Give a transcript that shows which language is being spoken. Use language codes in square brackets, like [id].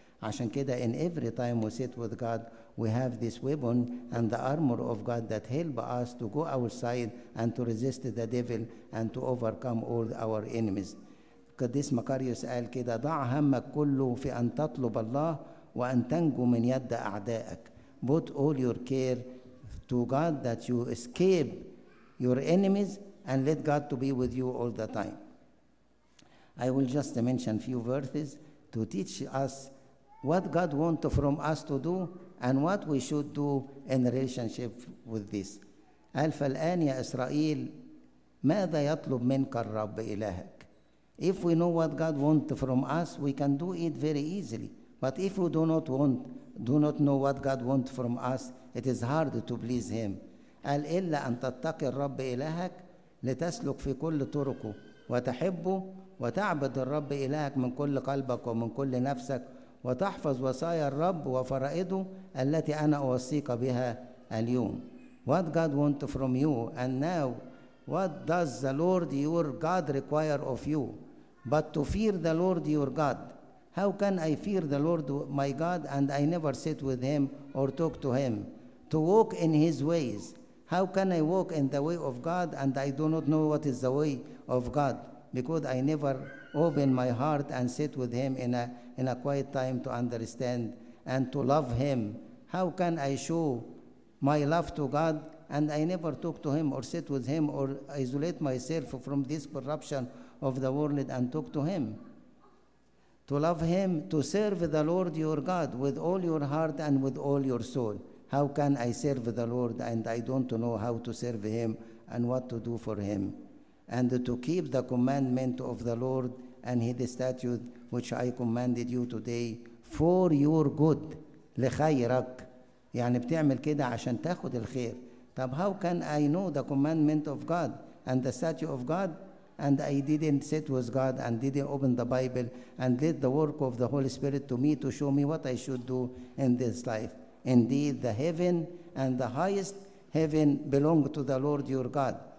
[ar] عشان كده [en] in every time we sit with God we have this weapon and the armor of God that help us to go outside and to resist the devil and to overcome all our enemies. [ar] قديس مكاريوس قال كده: ضع همك كله في ان تطلب الله وان تنجو من يد اعدائك. [en] Put all your care to God that you escape your enemies and let God to be with you all the time. I will just mention few verses to teach us what God wants from us to do and what we should do in relationship with this. [ar] قال: فالآن يا إسرائيل ماذا يطلب منك الرب إلهك؟ [en] If we know what God wants from us, we can do it very easily. But if we do not know what God wants from us, it is hard to please Him. [ar] قال: إلا أن تتقي الرب إلهك لتسلك في كل طرقه وتحبه وتعبد الرب إلهك من كل قلبك ومن كل نفسك وتحفظ وصايا الرب وفرائده التي أنا أوصيك بها اليوم. [en] What God wants from you, and now what does the Lord your God require of you but to fear the Lord your God? How can I fear the Lord my God and I never sit with Him or talk to Him? To walk in His ways. How can I walk in the way of God and I do not know what is the way of God? Because I never open my heart and sit with Him in a quiet time to understand and to love Him. How can I show my love to God and I never talk to Him or sit with Him or isolate myself from this corruption of the world and talk to Him? To love Him, to serve the Lord your God with all your heart and with all your soul. How can I serve the Lord and I don't know how to serve Him and what to do for Him? And to keep the commandment of the Lord and His statute which I commanded you today for your good. [ar] لخيرك. يعني بتعمل كده عشان تاخد الخير. [en] طب how can I know the commandment of God and the statute of God and I didn't sit with God and didn't open the Bible and let the work of the Holy Spirit to me to show me what I should do in this life? Indeed, the heaven and the highest heaven belong to the Lord your God.